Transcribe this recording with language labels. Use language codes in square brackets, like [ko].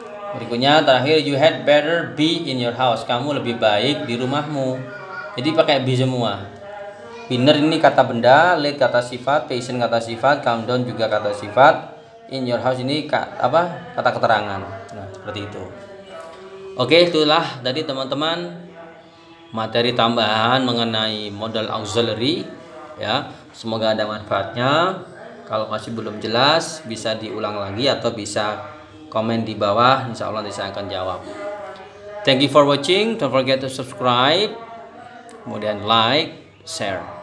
[id] Berikutnya, terakhir, [en] you had better be in your house. [id] Kamu lebih baik di rumahmu. Jadi pakai be semua. Winner ini kata benda, late kata sifat, patient kata sifat, calm down juga kata sifat. In your house ini kata keterangan. Nah, seperti itu. Oke, itulah tadi teman-teman materi tambahan mengenai modal auxiliary ya. Semoga ada manfaatnya. Kalau masih belum jelas bisa diulang lagi atau bisa komen di bawah, insyaallah nanti saya akan jawab. [en] Thank you for watching, don't forget to subscribe, [id] kemudian [en] like, share.